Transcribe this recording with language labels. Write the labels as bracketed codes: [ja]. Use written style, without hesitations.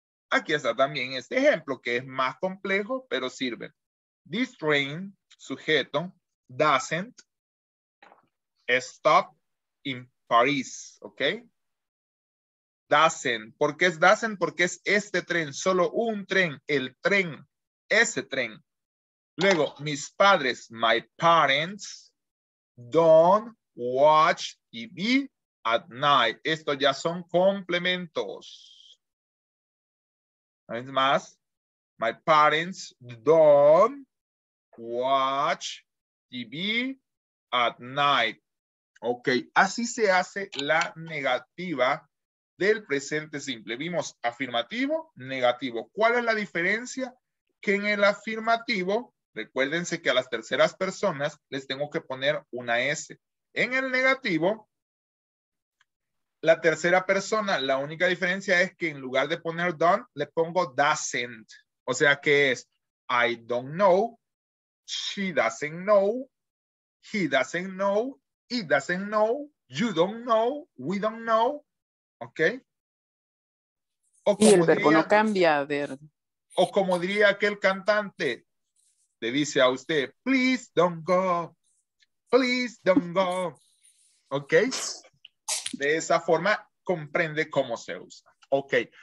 [es] Aquí está también este ejemplo que es más complejo, pero sirve. [en] This train, sujeto, doesn't stop in Paris. ¿Ok? Doesn't. [es] ¿Por qué es [en] doesn't? [es] Porque es este tren, solo un tren, el tren, ese tren. Luego, mis padres, [en] my parents, don't watch TV at night. [es] Estos ya son complementos. Una vez más, [en] my parents don't watch TV at night. [es] Ok, así se hace la negativa del presente simple. Vimos afirmativo, negativo. ¿Cuál es la diferencia? Que en el afirmativo, recuérdense que a las terceras personas les tengo que poner una S. En el negativo, la tercera persona, la única diferencia es que en lugar de poner don, le pongo doesn't. O sea que es [en] I don't know, she doesn't know, he doesn't know, he doesn't know, you don't know, we don't know. [es] ¿Ok? O como y el verbo diría, no cambia, a ver. O como diría aquel cantante, le dice a usted, [en] please don't go, please don't go. [es] ¿Ok? De esa forma comprende cómo se usa. ¿Ok?